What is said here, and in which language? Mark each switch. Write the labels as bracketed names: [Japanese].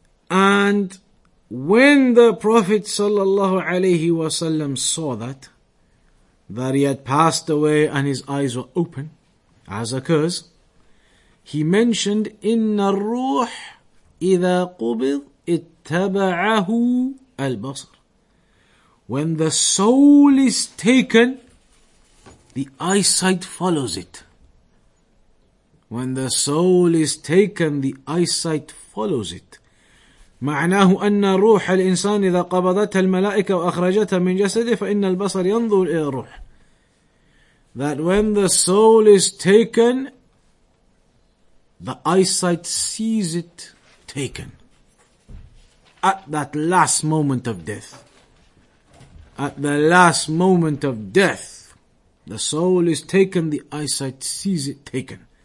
[English] And when the Prophet sallallahu alayhi wa sallam saw that he had passed away and his eyes were open, as occurs, he mentioned, [Arabic] إِنَّ الرُّوح إِذَا قُبِضْ اتَّبَعَهُ الْبَصَرِ. [English] When the soul is taken, the eyesight follows it. When the soul is taken, the eyesight follows it. [Arabic] معناه أن روح الإنسان إذا قبضتها الملائكة وأخرجتها من جسده فإن البصر ينظر إلى الروح. [English] That when the soul is taken, the eyesight sees it taken. At that last moment of death. at the last moment of death, the soul is taken, the eyesight sees it taken.